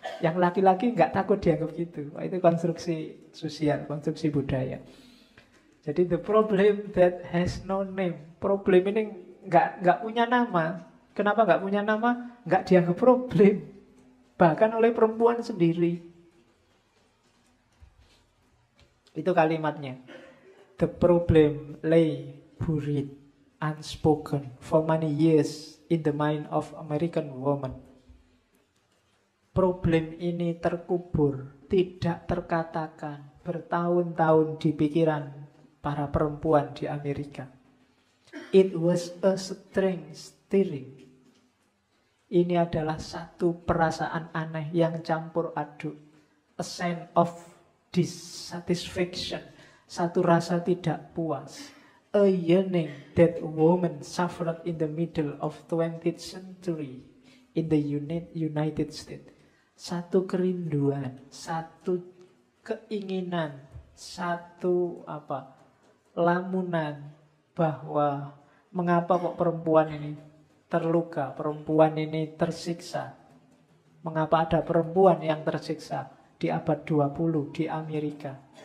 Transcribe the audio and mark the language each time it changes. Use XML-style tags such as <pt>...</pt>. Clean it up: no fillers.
<id>Yang laki-laki enggak takut dianggap gitu. Itu konstruksi sosial, konstruksi budaya. Jadi</id> <en>the problem that has no name.</en> <id>Problem ini enggak punya nama. Kenapa enggak punya nama? Enggak dianggap problem. Bahkan oleh perempuan sendiri. Itu kalimatnya.</id> <en>The problem lay buried, unspoken for many years in the mind of American woman.</en> <id>Problem ini terkubur, tidak terkatakan bertahun-tahun di pikiran para perempuan di Amerika.</id> <en>It was a strange stirring.</en> <id>Ini adalah satu perasaan aneh yang campur aduk.</id> <en>A sense of dissatisfaction.</en> <id>Satu rasa tidak puas.</id> <en>A yearning that woman suffered in the middle of 20th century in the United States.</en> <id>Satu kerinduan, satu keinginan, satu apa, lamunan bahwa mengapa kok perempuan ini terluka, perempuan ini tersiksa. Mengapa ada perempuan yang tersiksa di abad 20 di Amerika.</id>